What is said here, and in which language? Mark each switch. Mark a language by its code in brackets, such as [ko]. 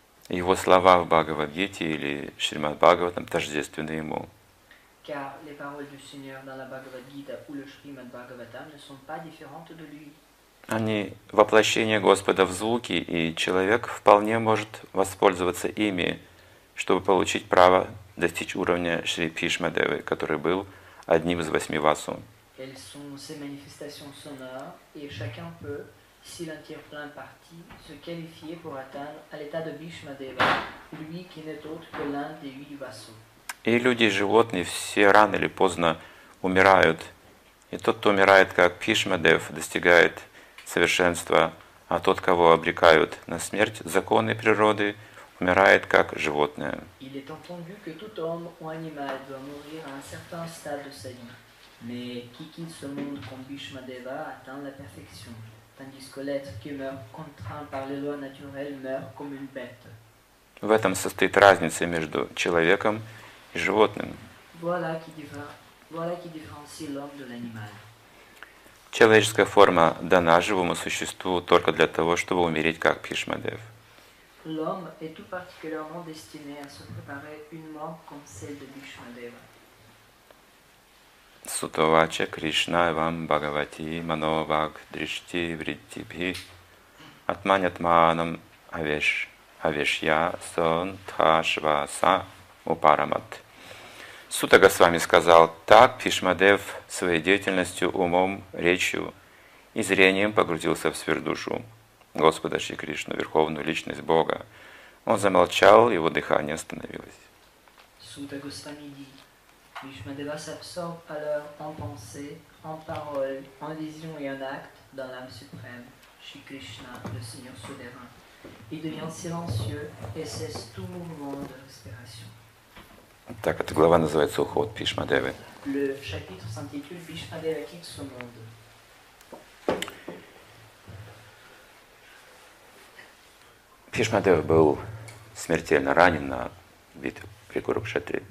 [ru] Его слова в Бхагавад-гите или Шримад-Бхагаватам тождественны ему. [fr] car les paroles du Seigneur dans la Bhagavad Gita ou le Srimad Bhagavatam ne sont pas différentes de lui. [ru] Они воплощение Господа в звуки, и человек вполне может воспользоваться ими, чтобы получить право достичь уровня Шри Бхишма Девы, который был одним из восьми васу. [fr] Quelles sont ces manifestations sonores et chacun peut, s'il en tire plein parti, se qualifier pour atteindre à l'état de Bhishma Deva, lui qui n'est autre que l'un des huit vasu. [ru] И люди, животные, все рано или поздно умирают. И тот, кто умирает, как Бхишма Дев, достигает совершенства, а тот, кого обрекают на смерть законы природы, умирает как животное. [fr] Il est entendu que tout homme ou animal doit mourir à un certain stade de sa vie. Mais qui quitte ce monde comme Bhishma Deva atteint la perfection, tandis que l'être qui meurt contraint par les lois naturelles meurt comme une bête. [ru] В этом состоит разница между человеком и животным. [fr] Voilà qui différencie l'homme de l'animal. [ru] Человеческая форма дана живому существу только для того, чтобы умереть как Бхишма Дев. [fr] L'homme est tout particulièrement destiné à se préparer une mort comme celle de Bhishma Deva. [sa] Сутоваче Кришна вам Бхагавати Мановак Дришти Вриттибхи Атманятманам Авешья Сонтхашваса Упарамат. [ru] Сута Госвами сказал, так Бхишма Дев своей деятельностью, умом, речью и зрением погрузился в сверхдушу Господа Шри Кришну, Верховную Личность Бога. Он замолчал, его дыхание остановилось. Сута Госвами говорит, [fr] Бхишма Дева s'absorbe alors en pensée, en parole, en vision et en acte dans l'âme suprême, Shri Krishna, le Seigneur souverain. Il devient silencieux et cesse tout mouvement de respiration. [ru] Так, эта глава называется «Уход Бхишма Девы». [fr] Le chapitre s'intitule Bhishma Deva quitte ce monde. [ru] Бхишма Дева был смертельно ранен на битве при Курукшетре.